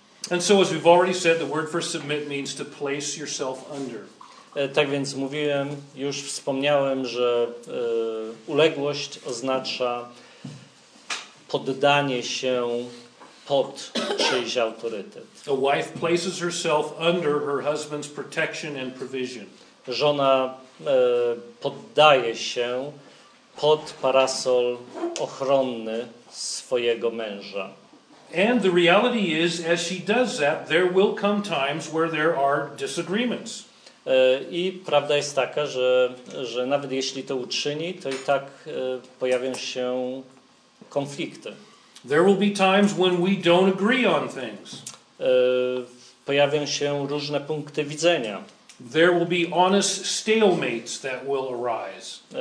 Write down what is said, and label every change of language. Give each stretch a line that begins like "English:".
English: And so as we've already said, the word for submit means to place yourself under.
Polish: Tak więc mówiłem, już wspomniałem, że uległość oznacza poddanie się pod czyjś autorytet.
English: A wife places herself under her husband's protection and provision.
Polish: Żona poddaje się pod parasol ochronny swojego męża.
English: And the reality is, as she does that, there will come times where there are disagreements.
Polish: I prawda jest taka, że nawet jeśli to uczyni, to i tak pojawią się konflikty.
English: There will be times when we don't agree on things.
Polish: Pojawią się różne punkty widzenia.
English: There will be honest stalemates that will arise.